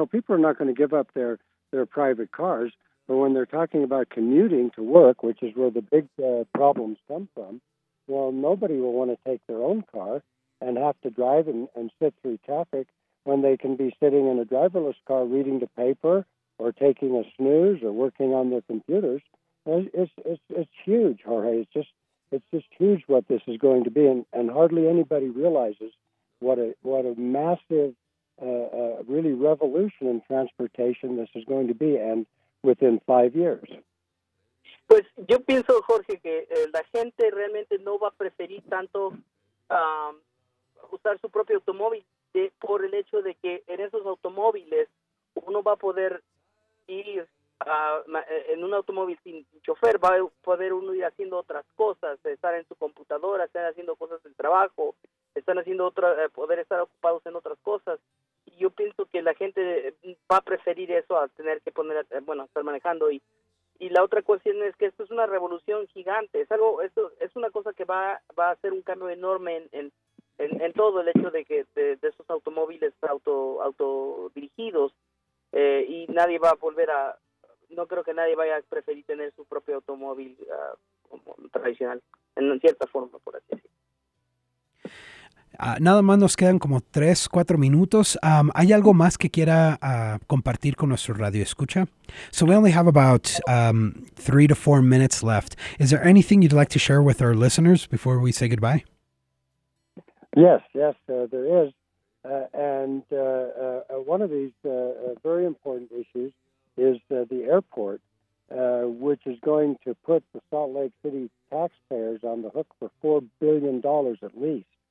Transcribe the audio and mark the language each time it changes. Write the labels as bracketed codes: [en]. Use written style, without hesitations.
[en] People are not going to give up their private cars, but when they're talking about commuting to work, which is where the big problems come from, nobody will want to take their own car and have to drive and sit through traffic when they can be sitting in a driverless car reading the paper or taking a snooze or working on their computers. It's huge, Jorge. It's just huge what this is going to be, and hardly anybody realizes what a massive, really revolution in transportation this is going to be, and within 5 years. [es] Pues yo pienso, Jorge, que la gente realmente no va a preferir tanto usar su propio automóvil por el hecho de que en esos automóviles uno va a poder ir en un automóvil sin chofer, va a poder uno ir haciendo otras cosas, estar en su computadora, estar haciendo cosas del trabajo, poder estar ocupados en otras cosas. Y yo pienso que la gente va a preferir eso a tener que estar manejando. Y la otra cuestión es que esto es una revolución gigante, es una cosa que va a hacer un cambio enorme en todo el hecho de que de esos automóviles autodirigidos, y nadie va a volver a, no creo que nadie vaya a preferir tener su propio automóvil como tradicional, en cierta forma, por así decirlo. Nada más nos quedan como 3-4 minutos. ¿Hay algo más que quiera compartir con nuestro radio escucha? [en] So we only have about 3 to 4 minutes left. Is there anything you'd like to share with our listeners before we say goodbye? Yes, there is. One of these very important issues is the airport, which is going to put the Salt Lake City taxpayers on the hook for $4 billion at least.